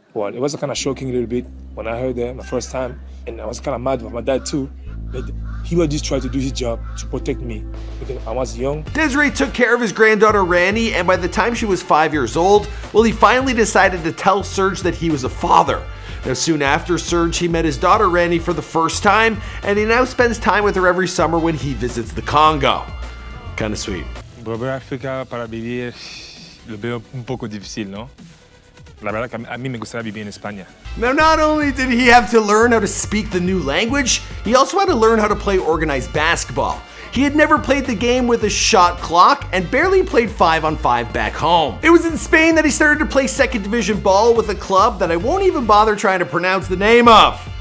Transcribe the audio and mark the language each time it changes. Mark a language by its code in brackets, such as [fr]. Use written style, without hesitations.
[en] Well, it was kind of shocking a little bit when I heard that the first time, and I was kind of mad with my dad too, but he would just try to do his job to protect me because I was young. Desiree took care of his granddaughter, Rani, and by the time she was 5 years old, well, he finally decided to tell Serge that he was a father. Now, soon after Serge, he met his daughter, Rani, for the first time, and he now spends time with her every summer when he visits the Congo. Kind of sweet. [es] Volver a África para vivir lo veo un poco difícil, ¿no? La verdad que a mí me gustaría vivir en España. [en] Now, not only did he have to learn how to speak the new language, he also had to learn how to play organized basketball. He had never played the game with a shot clock and barely played 5-on-5 back home. It was in Spain that he started to play second division ball with a club that I won't even bother trying to pronounce the name of.